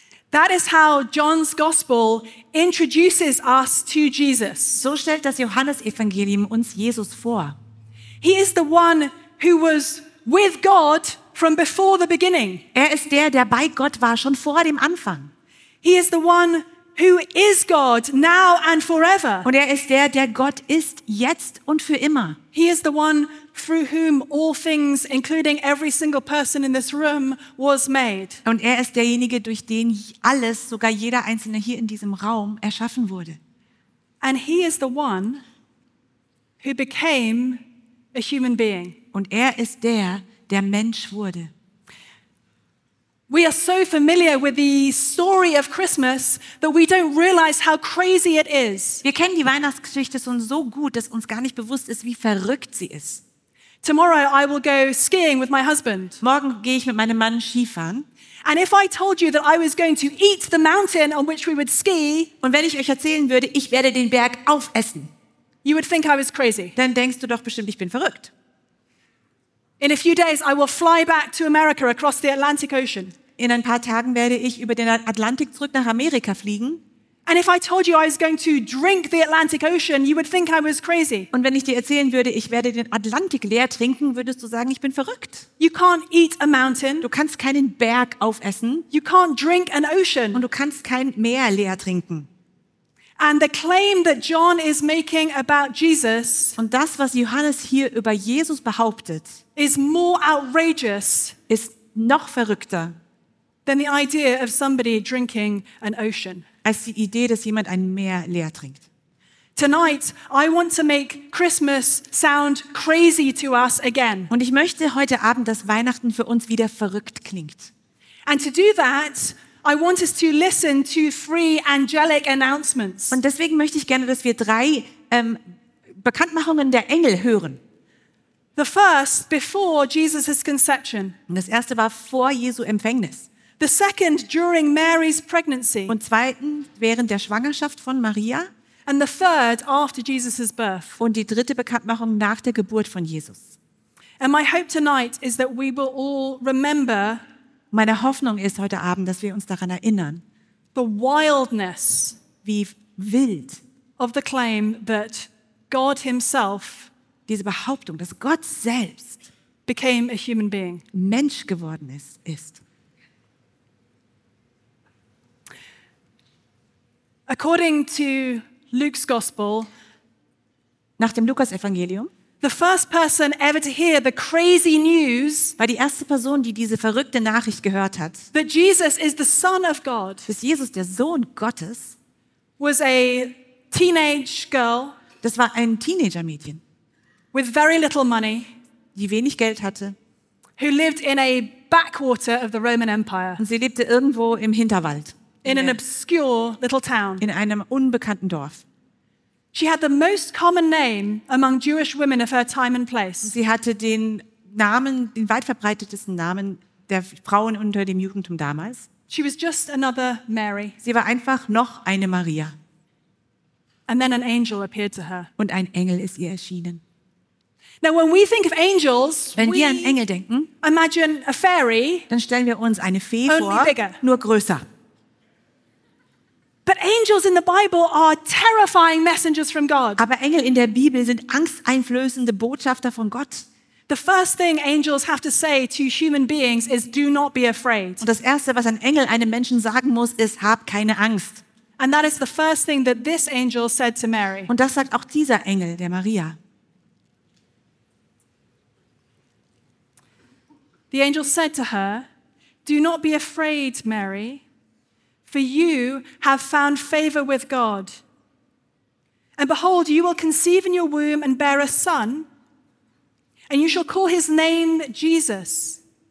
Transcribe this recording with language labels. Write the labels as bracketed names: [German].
[English] That is how John's Gospel introduces us to Jesus. [German] So stellt das Johannesevangelium uns Jesus vor. [English] He is the one who was with God from before the beginning. [German] Er ist der bei Gott war schon vor dem Anfang. [English] He is the one who is God now and forever. [German] Und er ist der Gott ist jetzt und für immer. [English] He is the one through whom all things, including every single person in this room, was made. [German] Und er ist derjenige, durch den alles, sogar jeder einzelne hier in diesem Raum, erschaffen wurde. [English] And he is the one who became a human being. [German] Und er ist der Mensch wurde. [English] We are so familiar with the story of Christmas that we don't realize how crazy it is. [German] Wir kennen die Weihnachtsgeschichte schon so gut, dass uns gar nicht bewusst ist, wie verrückt sie ist. [English] Tomorrow I will go skiing with my husband. [German] Morgen gehe ich mit meinem Mann Skifahren. [English] And if I told you that I was going to eat the mountain on which we would ski, [German] und wenn ich euch erzählen würde, ich werde den Berg aufessen, [English] you would think I was crazy. [German] Dann denkst du doch bestimmt, ich bin verrückt. [English] In a few days I will fly back to America across the Atlantic Ocean. [German] In ein paar Tagen werde ich über den Atlantik zurück nach Amerika fliegen. [English] And if I told you I was going to drink the Atlantic Ocean, you would think I was crazy. [German] Und wenn ich dir erzählen würde, ich werde den Atlantik leer trinken, würdest du sagen, ich bin verrückt. [English] You can't eat a mountain. [German] Du kannst keinen Berg aufessen. [English] You can't drink an ocean. [German] Und du kannst kein Meer leer trinken. [English] And the claim that John is making about Jesus, [German] und das, was Johannes hier über Jesus behauptet, [English] is more outrageous, [German] ist noch verrückter, [English] than the idea of somebody drinking an ocean, [German] als die Idee, dass jemand ein Meer leer trinkt. [English] Tonight I want to make Christmas sound crazy to us again. [German] Und ich möchte heute Abend, dass Weihnachten für uns wieder verrückt klingt. [English] And to do that, I want us to listen to three angelic announcements. [German] Und deswegen möchte ich gerne, dass wir drei Bekanntmachungen der Engel hören. [English] The first before Jesus' conception. [German] Und das erste war vor Jesu Empfängnis. [English] The second during Mary's pregnancy. [German] Und zweitens während der Schwangerschaft von Maria. [English] And the third after Jesus' birth. [German] Und die dritte Bekanntmachung nach der Geburt von Jesus. [English] And my hope tonight is that we will all remember. [German] Meine Hoffnung ist heute Abend, dass wir uns daran erinnern, [English] the wildness, [German] wie wild, [English] of the claim that God himself, [German] diese Behauptung, dass Gott selbst [English] became a human being, [German] Mensch geworden ist. [English] According to Luke's Gospel, [German] nach dem Lukas-Evangelium, [English] the first person ever to hear the crazy news, [German] war die erste Person, die diese verrückte Nachricht gehört hat, [English] that Jesus is the Son of God, [German] dass Jesus der Sohn Gottes, [English] was a teenage girl, [German] das war ein Teenager-Mädchen, [English] with very little money, [German] die wenig Geld hatte, [English] who lived in a backwater of the Roman Empire, [German] und sie lebte irgendwo im Hinterwald, [English] in an obscure little town, [German] in einem unbekannten Dorf. [English] She had the most common name among Jewish women of her time and place. [German] Sie hatte den Namen, den weit verbreitetesten Namen der Frauen unter dem Judentum damals. [English] She was just another Mary. [German] Sie war einfach noch eine Maria. [English] And then an angel appeared to her. [German] Und ein Engel ist ihr erschienen. [English] Now when we think of angels, [German] wenn wir an Engel denken, [English] imagine a fairy, [German] dann stellen wir uns eine Fee vor, [English] only bigger, [German] nur größer. [English] But angels in the Bible are terrifying messengers from God. [German] Aber Engel in der Bibel sind angsteinflößende Botschafter von Gott. [English] The first thing angels have to say to human beings is do not be afraid. [German] Und das erste, was ein Engel einem Menschen sagen muss, ist hab keine Angst. [English] And that is the first thing that this angel said to Mary. [German] Und das sagt auch dieser Engel der Maria. [English] The angel said to her, "Do not be afraid, Mary. For you have found favor with God. And behold, you will conceive in your womb and bear a son, and you shall call his name Jesus.